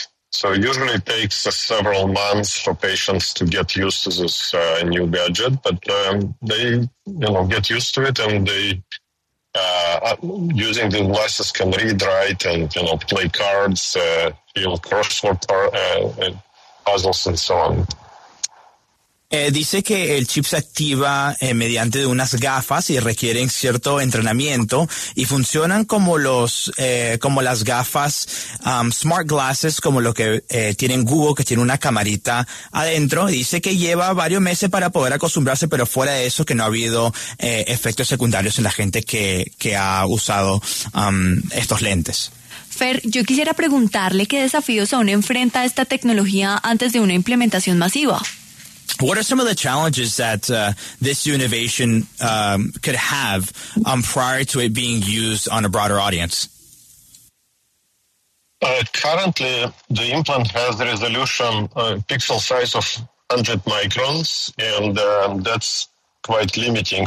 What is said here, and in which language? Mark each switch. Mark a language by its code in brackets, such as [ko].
[en] So usually it takes several months for patients to get used to this new gadget, but they, you know, get used to it, and they using the glasses can read, write, and, you know, play cards, feel crossword puzzles and so on. [es] Dice que el chip se activa mediante unas gafas y requieren cierto entrenamiento y funcionan como los como las gafas smart glasses, como lo que tienen Google, que tiene una camarita adentro. Dice que lleva varios meses para poder acostumbrarse, pero fuera de eso que no ha habido efectos secundarios en la gente que ha usado estos lentes. Fer, yo quisiera preguntarle qué desafíos aún enfrenta esta tecnología antes de una implementación masiva. [en] What are some of the challenges that this innovation could have prior to it being used on a broader audience? Currently, the implant has a resolution pixel size of 100 microns, and that's quite limiting.